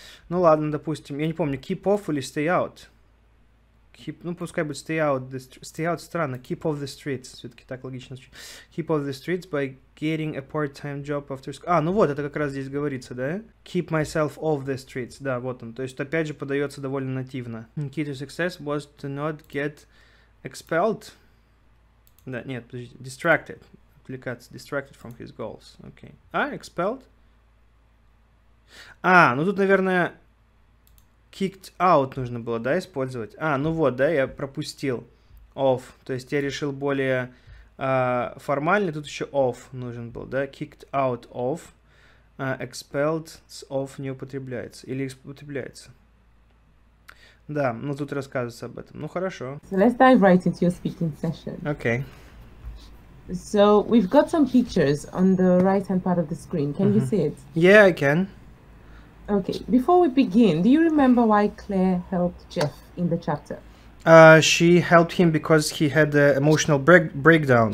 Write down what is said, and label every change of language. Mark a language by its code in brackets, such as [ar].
[ru] ну ладно, допустим, я не помню, [en] keep off [ru] или [en] stay out, [ru] keep, ну пускай будет stay out, странно, [en] keep off the streets, все-таки так логично, keep off the streets by getting a part-time job after school. [ru] А, ну вот, это как раз здесь говорится, да? [en] Keep myself off the streets. [ru] Да, вот он. То есть, опять же, подается довольно нативно. [en] Key to success was to not get expelled. [ru] Да, нет, подождите. Distracted. Отвлекаться. [en] Distracted from his goals. [ru] Окей. [en] Okay. [ru] А, expelled? А, ну тут, наверное, [en] kicked out [ru] нужно было, да, использовать? А, ну вот, да, я пропустил. Off. То есть, я решил более... формально тут еще off нужен был, да, [en] kicked out of, expelled off [ru] не употребляется, или употребляется. Да, ну тут рассказывается об этом, ну хорошо. [en] So let's dive right into your speaking session. Okay. So we've got some pictures on the right hand part of the screen, can mm-hmm. you see it? Yeah, I can. Okay, before we begin, do you remember why Claire helped Jeff in the chapter? She helped him because he had an emotional breakdown.